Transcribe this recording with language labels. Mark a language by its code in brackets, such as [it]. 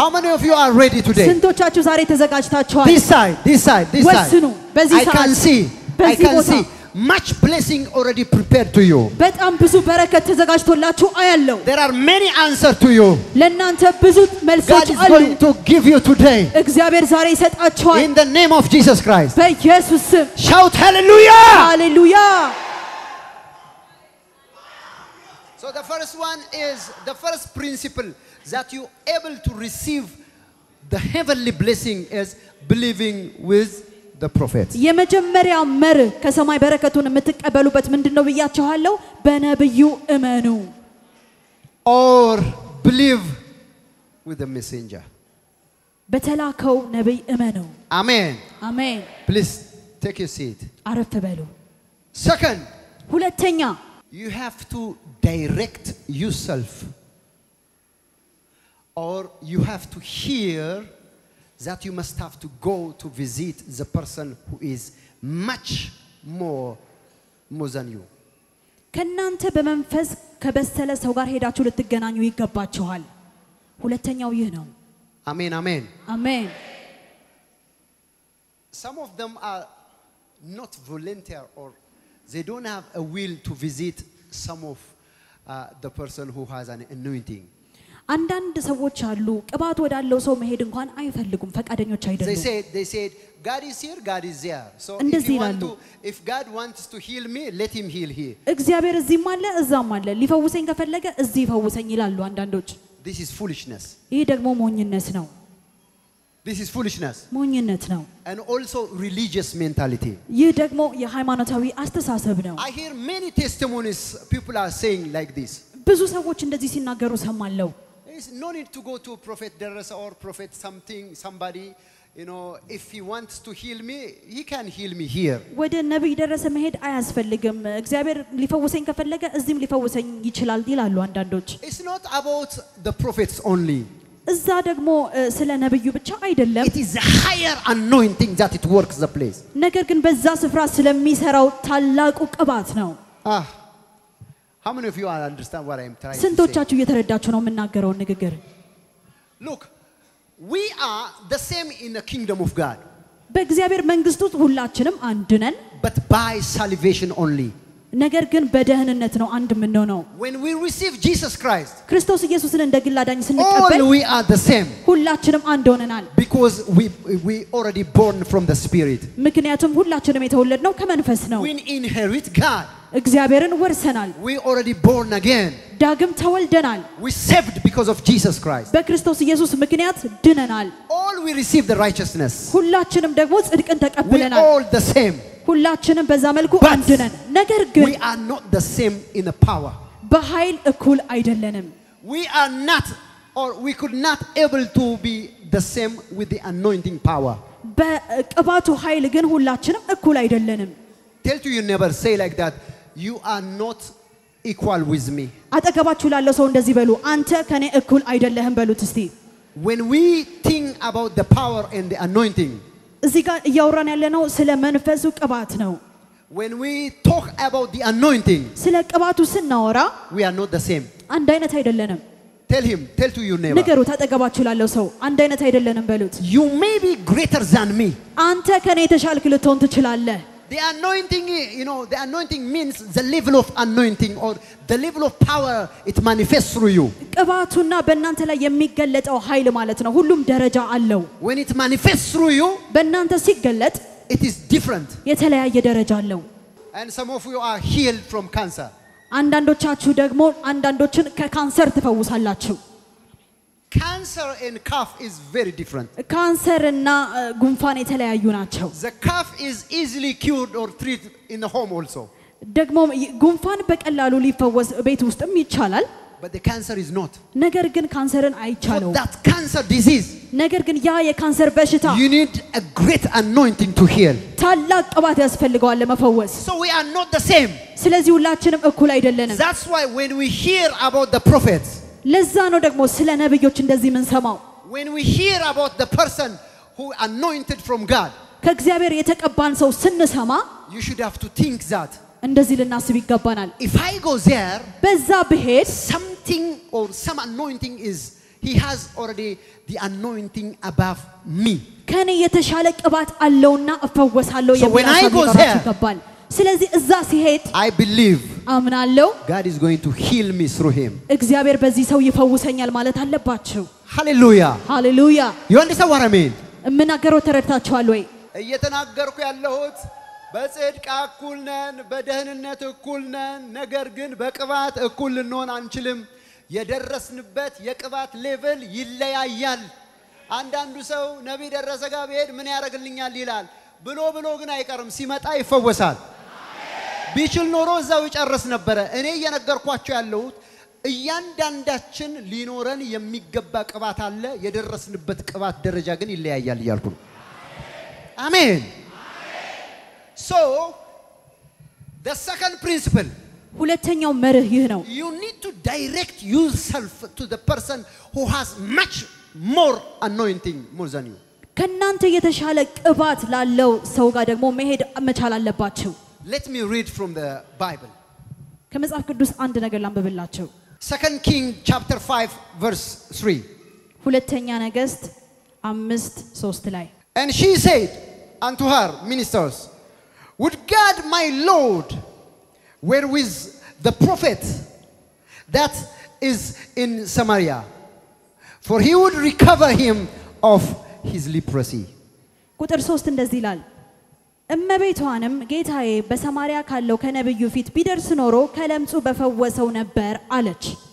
[en] How many of you are ready today? [am] ስንቶቻችሁ ዛሬ ተዘጋጅታችኋል? [en] This side, this side, this side. [am] ወስኑ በዚህ ሰዓት. [en] I can see. I can see. Much blessing already prepared to you. [am] በጣም ብዙ በረከት ተዘጋጅቶላችሁ አያለሁ. [en] There are many answers to you. [am] ለእናንተ ብዙ መልሶች አሉ. [en] God is going to give you today. [am] እግዚአብሔር ዛሬ ይሰጣችኋል. [en] In the name of Jesus Christ. [am] በኢየሱስ ስም. [en] Shout hallelujah! Hallelujah! So the first one is the first principle that you able to receive the heavenly blessing is believing with the prophets [am] የመጀመሪያ መር ከሰማይ በረከቱን የምትቀበሉበት ምንድነው ብያችኋለሁ በነብዩ እመኑ [en] or believe with the messenger [am] በተላከው ነብይ እመኑ አሜን አሜን [en] please take your seat [am] አረፍ በሉ [en] second [am] ሁለተኛ [en] you have to direct yourself or you have to hear that you must have to go to visit the person who is much more than you [am] ከናንተ በመንፈስ ከበሰለ ሰው ጋር ሄዳችሁ ልትገናኙ ይገባችኋል ሁለተኛው ይህ ነው አሜን አሜን አሜን [en] some of them are not volunteer or they don't have a will to visit some of the person who has an anointing [am] አንዳንድ ሰዎች አሉ ቅባት ወዳለው ሰው መሄድ እንኳን አይፈልጉም ፈቃደኞች አይደሉም [en] they said god is here god is there so if god wants to heal me let him heal here [am] እግዚአብሔር እዚህም አለ እዛም አለ ሊፈውሰኝ ከፈለገ እዚህ ይፈውሰኝ ይላሉ አንዳንዶች [en] this is foolishness [am] ይሄ ደግሞ ሞኝነት ነው [en] this is foolishness [am] ሞኝነት ነው [en] and also religious mentality [am] ይሄ ደግሞ የሃይማኖታዊ አስተሳሰብ ነው [en] i hear many testimonies people are saying like this [am] ብዙ ሰዎች እንደዚህ ሲናገሩ ሰማለሁ [en] no need to go to prophet Deresa or prophet something somebody you know, if he wants to heal me, he can heal me here. [am] ወደ ነብይ ደረሰ መሄድ አያስፈልግም እግዚአብሔር ሊፈውሰኝ ከፈለገ እዚም ሊፈውሰኝ ይችላል ዲላሉ አንዳንዶች. [en] It's not about the prophets only. [am] እዛ ደግሞ ስለ ነብዩ ብቻ አይደለም. [en] It is a higher anointing that it works the place. [am] ነገር ግን በዛ ስፍራ ስለሚሰራው ታላቁ ቅባት ነው. Ah. [en] How many of you are understand what I am trying to say? [am] ስንቶቻችሁ እየተረዳችሁ ነው የምናገረው ንግግር? [en] Look. We are the same in the kingdom of God. [am] በእግዚአብሔር መንግስት ውስጥ ሁላችንም አንድ ነን. [en] But by salvation only. [am] ነገር ግን በደህንነት ነው አንድ የምንሆነው. [en] When we receive Jesus Christ. [am] ክርስቶስ ኢየሱስን እንደ ግል አዳኝ ስንቀበል. [en] All we are the same. [am] ሁላችንም አንድ ሆነናል. [en] Because we already born from the spirit. [am] ምክንያቱም ሁላችንም የተወለድነው ከመንፈስ ነው. [en] We inherit God. [am] እግዚአብሔርን ወርሰናል. [en] We already born again. [am] ዳግም ተወልደናል. [en] We saved because of Jesus Christ. [am] በክርስቶስ ኢየሱስ ምክንያት ድነናል. [en] All we receive the righteousness. [am] ሁላችንም ደግሞ ጽድቅን ተቀብለናል. [en] We all the same. [am] ሁላችንም በዛ መልኩ አንድ ነን. ነገር ግን [en] we are not the same in the power. [am] በኃይል እኩል አይደለንም. [en] We are not or we could not able to be the same with the anointing power. [am] በቅባቱ ኃይል ግን ሁላችንም እኩል አይደለንም. [en] Tell to you never say like that. You are not equal with me. [am] አጠገባችሁ ላለ ሰው እንደዚህ በሉ አንተ ከኔ እኩል አይደለህም በሉት እስቲ. [en] When we think about the power and the anointing. [am] እዚህ ጋር እያወራን ያለነው ስለ መንፈሱ ቅባት ነው. [en] When we talk about the anointing. [am] ስለ ቅባቱ ስናወራ [en] we are not the same. [am] አንድ አይነት አይደለንም. [en] Tell him, tell to your neighbor. [am] ነገሩ ታጠገባችሁ ላለ ሰው አንድ አይነት አይደለንም በሉት. [en] You may be greater than me. [am] አንተ ከኔ የተሻልክ ልትሆን ትችላለህ. [en] The anointing, you know, the anointing means the level of anointing or the level of power it manifests through you. [am] ቅባቱna በእናንተ ላይ የሚገለጠው ኃይል ማለት ነው ሁሉም ደረጃ አለው. [en] When it manifests through you, [am] በእናንተ ሲገለጥ [en] it is different. [am] የተለያየ ደረጃ አለው. [en] And some of you are healed from cancer. [am] አንዳንዶቻችሁ ደግሞ አንዳንዶችን ከካንሰር ተፈውሳላችሁ. [en] Cancer and cough is very different. [am] ካንሰር እና ጉንፋን የተለያዩ ናቸው. [en] The cough is easily cured or treated in the home also. [am] ደግሞ ጉንፋን በቀላሉ ሊፈወስ ቤት ውስጥም ይቻላል. [en] But the cancer is not. [am] ነገር ግን ካንሰርን አይቻለው. [en] That cancer disease. [am] ነገር ግን ያ የካንሰር በሽታ. [en] You need a great anointing to heal. [am] ታላቅ ቅባት ያስፈልጋል ለመፈወስ. [en] So we are not the same. [am] ስለዚህ ሁላችንም እኩል አይደለንም. [en] That's why when we hear about the prophets. [am] ለዛ ነው ደግሞ ስለ ነብዮች እንደዚህ መንሰማው. [en] When we hear about the person who anointed from God. [am] ከእግዚአብሔር የተቀባን ሰው ስንሰማ. [en] You should have to think that. [am] እንደዚህ ልናስብ ይገባናል. [en] If I go there. [am] በዛ ብሄድ. [en] Something or some anointing is he has already the anointing above me. [am] ከኔ የተሻለ ቅባት አለውና እፈወሳለሁ የሚያስብ ይገባናል. [en] So when I go there. [am] ስለዚህ እዛ ሲሄድ [en] I believe [am] አምናለሁ [en] God is going to heal me through him. [am] እግዚአብሔር በዚህ ሰው ይፈውሰኛል ማለት አለባችሁ. [en] Hallelujah. Hallelujah. You understand what I mean? [am] እምናገረው ተረድታችኋል ወይ? እየተናገርኩ ያለሁት በጽድቅ እኩል ነን በደህንነት እኩል ነን ነገር ግን በቅባት እኩል ልንሆን አንችልም. የደረስንበት የቅባት ሌቭል ይለያያል. አንዳንዱ ሰው ነብይ ደረሰ ጋር ቢሄድ ምን ያረግልኛል ይላል. ብሎ ብሎ ግን አይቀርም ሲመጣ ይፈወሳል. ቢችል ኖሮ እዛው ይጨርስ ነበር. እኔ የነገርኳቸው ያለሁት እያንዳንዳችን ሊኖረን የሚገባ ቅባት አለ የደረስንበት ቅባት ደረጃ ግን ይለያያል ይላልኩ. አሜን አሜን. [en] So the second principle. [am] ሁለተኛው መርህ ይህ ነው. [en] You need to direct yourself to the person who has much more anointing more than you. [am] ከናንተ የተሻለ ቅባት ላለው ሰው ጋር ደግሞ መሄድ መቻል አለባችሁ. [en] Let me read from the Bible. [am] ከመጽሐፍ ቅዱስ አንድ ነገር ላንብብላችሁ. [en] 2 King chapter 5 verse 3. [am] ሁለተኛ ነገስት 5:3 ላይ. [en] And she said unto her ministers, Would God my Lord were with the prophet that is in Samaria, for he would recover him of his leprosy. [am] ቁጥር 3 እንደዚህ ይላል. እመቤቷንም ጌታዬ በሰማርያ ካለው ከነብዩ ፊት ቢደርስ ኖሮ ከለምጹ በፈወሰው ነበር አለች.